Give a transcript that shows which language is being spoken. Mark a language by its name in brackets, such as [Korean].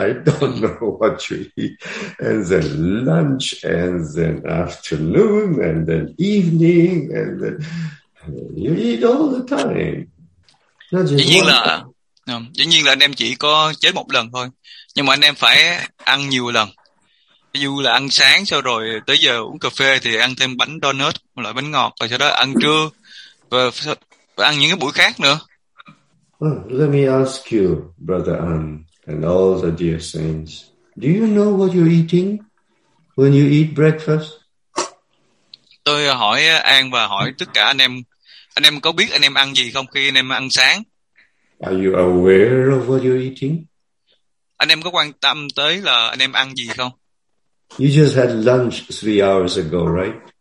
[English] I don't know what you eat. And then lunch and then afternoon and then evening. And then you eat all the time. Not just one time. [Vietnamese] Dĩ nhiên là anh em chỉ có chết một lần thôi, nhưng mà anh em phải ăn nhiều lần. Ví dụ là ăn sáng, sau rồi tới giờ uống cà phê thì ăn thêm bánh donut, một loại bánh ngọt, rồi sau đó ăn trưa và ăn những cái buổi khác nữa. [English] Let me ask you, Brother An, and all the dear saints, do you know what you're eating when you eat breakfast? [Vietnamese] Tôi hỏi An và hỏi tất cả anh em có biết anh em ăn gì không khi anh em ăn sáng? [English] Are you aware of what you're eating? [Vietnamese] Anh em có quan tâm tới là anh em ăn gì không? [English] You just had lunch 3 hours ago, right?